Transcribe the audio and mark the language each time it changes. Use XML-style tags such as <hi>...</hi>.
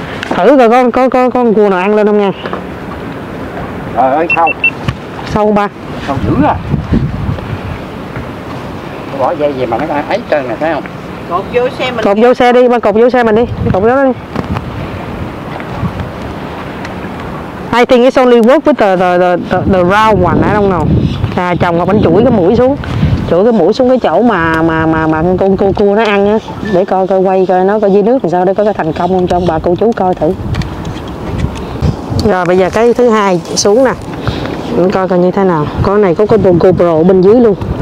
<vi>Thử coi có con cua nào ăn lên không nha. Trời ơi, sâu. Sâu không ba? Sâu dữ à. Bỏ dây gì mà nó thấy trơn này thấy không? Cột vô xe mình. Cột vô xe đi, ba cột vô xe mình đi. Cột vô đó đi.</vi> <en>I think it's only work with the round one, I don't know.</en> <vi>À, chồng bánh chuỗi cái mũi xuống. Chuỗi cái mũi xuống cái chỗ mà con cua nó ăn á. Để coi quay coi nó coi dưới nước làm sao để có cái thành công không cho ông bà cô chú coi thử. Rồi bây giờ cái thứ hai xuống nè. Mình coi như thế nào. Con này có con GoPro bên dưới luôn.</vi>